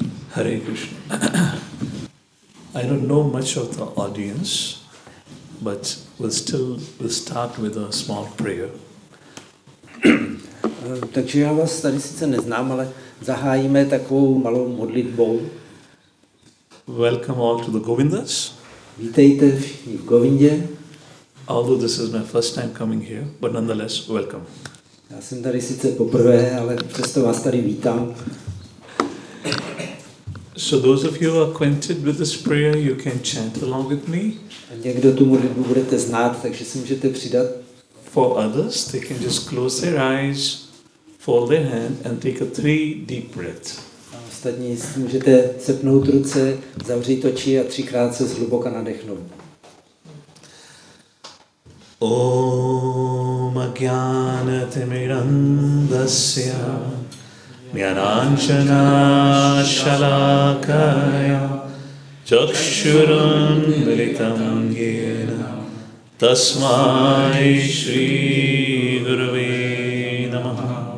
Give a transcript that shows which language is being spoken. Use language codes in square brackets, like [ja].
[en] Hare Krishna. I don't know much of the audience, but we'll start with a small prayer. [cs] Takže já vás tady sice neznám, ale zahájíme takovou malou modlitbou. [en] Welcome all to the Govindas. [cs] Vítejte všichni v Govindě. [en] Although this is my first time coming here, but nonetheless, welcome. [cs] Já jsem tady sice poprvé, ale přesto vás tady vítám. [en] So those of you who are acquainted with this prayer, you can chant along with me. [cs] Někdo tu modlitbu budete znát, takže si můžete přidat. [en] For others, they can just close their eyes, fold their hand and take a 3 deep breath. [cs] A ostatní si můžete sepnout ruce, zavřít oči a 3krát se zhluboka nadechnout. [sa] Om Ajnana Timirandasya Jnananjana Shalakaya Chakshuram Militam Yena Tasmai Shri Gurave Namaha